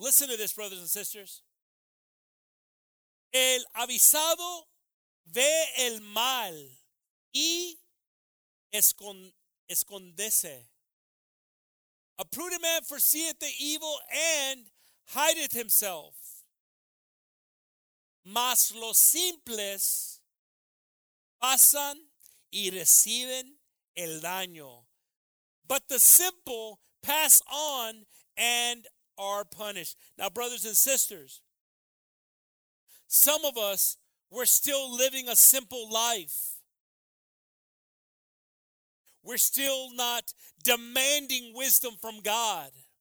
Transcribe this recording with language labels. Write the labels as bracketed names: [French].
[English] Listen to this, brothers and sisters. [Spanish] El avisado ve el mal y escondese. [English] A prudent man foreseeth the evil and hideth himself. [Spanish] Mas los simples pasan y reciben el daño. [English] But the simple pass on and are punished. Now, brothers and sisters, some of us, we're still living a simple life. We're still not demanding wisdom from God.